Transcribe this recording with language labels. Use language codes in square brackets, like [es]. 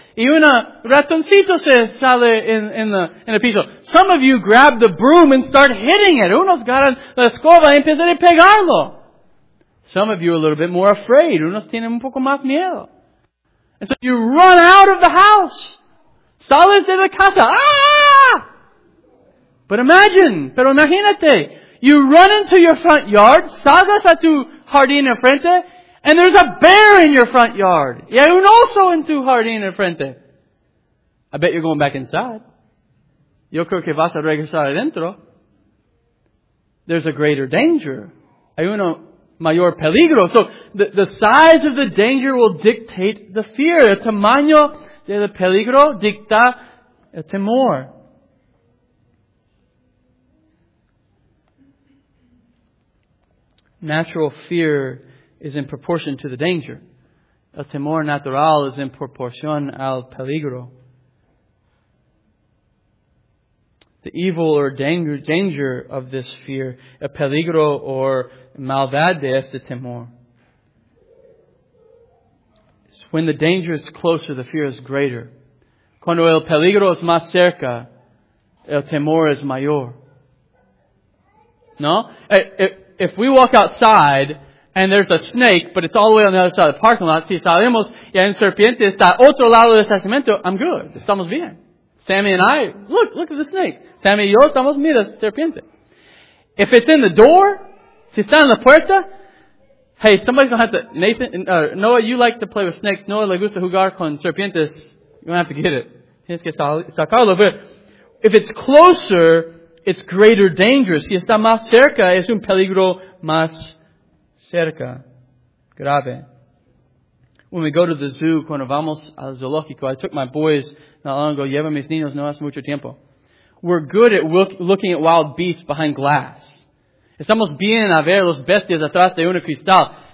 [es] Y una ratoncito se sale en el piso. [en] Some of you grab the broom and start hitting it. [es] Unos agarran la escoba y empiezan a pegarlo. [en] Some of you are a little bit more afraid. [es] Unos tienen un poco más miedo. [en] And so you run out of the house. [es] Sales de la casa. Ah! Pero imagínate. [en] You run into your front yard. [es] Salgas a tu jardín enfrente. [en] And there's a bear in your front yard. [es] Y hay un oso en tu jardín enfrente. [en] I bet you're going back inside. [es] Yo creo que vas a regresar adentro. [en] There's a greater danger. [es] Hay uno mayor peligro. [en] So the size of the danger will dictate the fear. [es] El tamaño del peligro dicta el temor. [en] Natural fear is in proportion to the danger. [es] El temor natural [en] is in proportion [es] al peligro. [en] The evil or danger of this fear, [es] el peligro or maldad de este temor. [en] It's when the danger is closer, the fear is greater. [es] Cuando el peligro es más cerca, el temor es mayor. [en] No? If we walk outside and there's a snake, but it's all the way on the other side of the parking lot. [es] Si salimos y hay un serpiente está otro lado del estacionamiento, [en] I'm good. [es] Estamos bien. [en] Sammy and I, look at the snake. [es] Sammy y yo estamos, mira, serpiente. [en] If it's in the door, [es] si está en la puerta, [en] hey, somebody's going to have to, Noah, you like to play with snakes. [es] Noah le gusta jugar con serpientes. [en] You're going to have to get it. [es] Tienes que sacarlo. [en] But if it's closer, it's greater danger. [es] Si está más cerca, es un peligro más cerca, grave. [en] When we go to the zoo, [es] cuando vamos al zoológico, [en] I took my boys not long ago, [es] lleva mis niños, no hace mucho tiempo. [en] We're good at looking at wild beasts behind glass. [es] Estamos bien a ver los bestias atrás de un cristal.